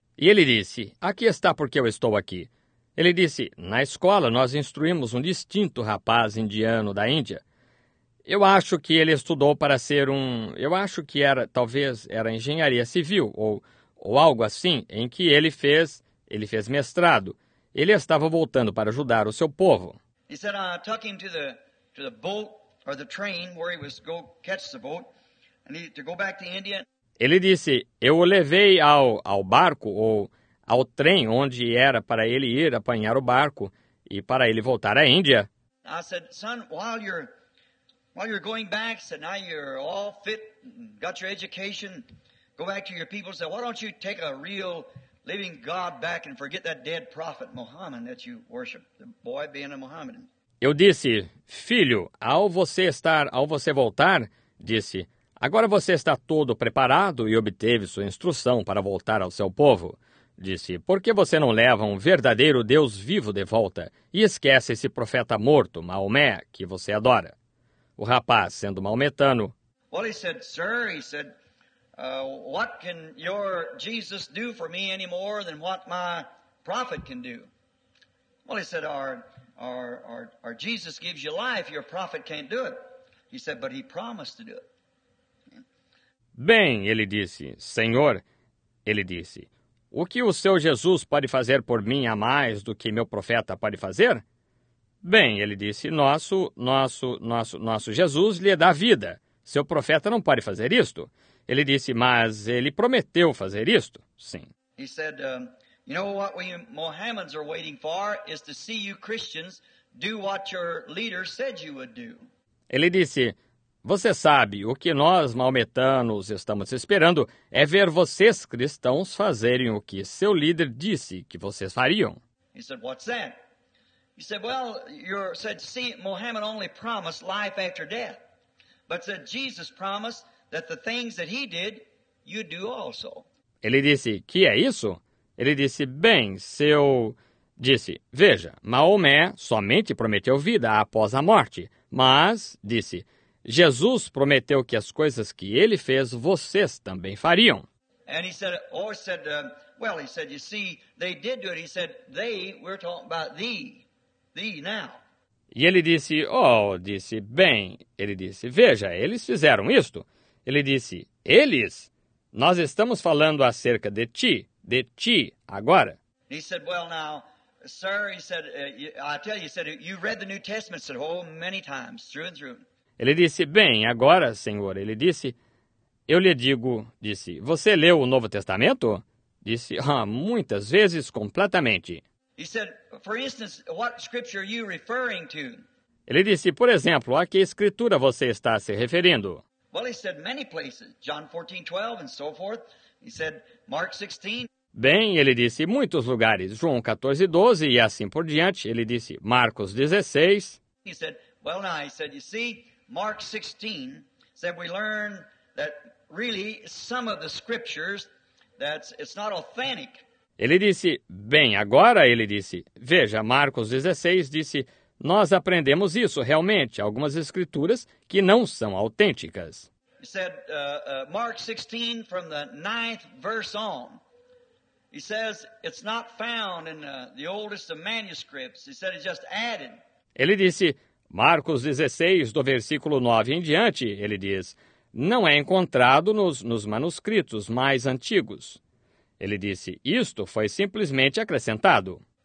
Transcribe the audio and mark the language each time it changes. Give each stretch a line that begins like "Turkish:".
Portuguese: E ele disse, aqui está porque eu estou aqui. Ele disse, na escola nós instruímos um distinto rapaz indiano da Índia. Eu acho que ele estudou para ser um... Eu acho que era, talvez, era engenharia civil ou algo assim, em que ele fez mestrado. Ele estava voltando para ajudar o seu povo.
English: He said, I took him to the boat, or the train, where he was to go catch the boat, and he to go back to India.
Portuguese: Ele disse, eu o levei ao barco, ou ao trem, onde era para ele ir apanhar o barco, e para ele voltar à Índia.
English: I said, son, while you're going back, said, now you're all fit, got your education, go back to your people, said, why don't you take a real living God back and forget that dead prophet Muhammad that you worship, the boy being a Muhammadan.
Portuguese: Eu disse, filho, ao você voltar, disse, agora você está todo preparado e obteve sua instrução para voltar ao seu povo. Disse, por que você não leva um verdadeiro Deus vivo de volta e esquece esse profeta morto, Maomé, que você adora? O rapaz, sendo maometano.
English: Well, he said, sir, he said, what can your Jesus do for me any more than what my prophet can do? Well, he said, our Jesus gives you life, your prophet can't do it. He said, but he promised to do it.
Portuguese: Bem, ele disse, senhor, ele disse, O que o seu Jesus pode fazer por mim a mais do que meu profeta pode fazer? Bem, ele disse, nosso Jesus lhe dá vida. Seu profeta não pode fazer isto. Ele disse, mas ele prometeu fazer isto. Sim.
English: He said, you know what we Mohammedans are waiting for is to see you Christians do what your leader said you would do.
Portuguese: Ele disse, você sabe, o que nós, maometanos, estamos esperando é ver vocês, cristãos, fazerem o que seu líder disse que vocês fariam.
English: He said, what's that? He said, well, you said, see, Mohammed only promised life after death. But said, Jesus promised that the things that he did, you do also.
Portuguese: Ele disse, que é isso? Ele disse, bem, seu... Disse, veja, Maomé somente prometeu vida após a morte. Mas, disse, Jesus prometeu que as coisas que ele fez, vocês também fariam.
English: And he said, or said, well, he said, you see, they did do it. He said, they, we're talking about thee.
Portuguese: E ele disse, oh, disse, bem, ele disse, veja, eles fizeram isto. Ele disse, eles? Nós estamos falando acerca de ti, agora.
English: He said, well, now, sir, he said, I tell you, he said, you've read the New Testament, said, oh, many times, through and through.
Portuguese: Ele disse, bem, agora, senhor, ele disse, eu lhe digo, disse, você leu o Novo Testamento? Disse, ah, muitas vezes, completamente.
English: He said, for instance, what scripture are you referring to?
Portuguese: Ele disse, por exemplo, a que escritura você está se referindo?
English: Well, he said many places, John 14, 12 and so forth. He said Mark 16.
Portuguese: Bem, ele disse muitos lugares, João 14, 12 e assim por diante. Ele disse Marcos 16.
English: He said, well, now he said, you see, Mark 16 said we learn that really some of the scriptures that's it's not authentic.
Portuguese: Ele disse, bem, agora ele disse, veja, Marcos 16 disse, nós aprendemos isso realmente, algumas escrituras que não são autênticas.
English: He said, Mark 16, from the ninth verse on, he says, it's not found in the oldest of manuscripts, he said, it's just added.
Portuguese: Ele disse, Marcos 16, do versículo 9 em diante, ele diz, não é encontrado nos manuscritos mais antigos. Ele disse, isto foi simplesmente acrescentado.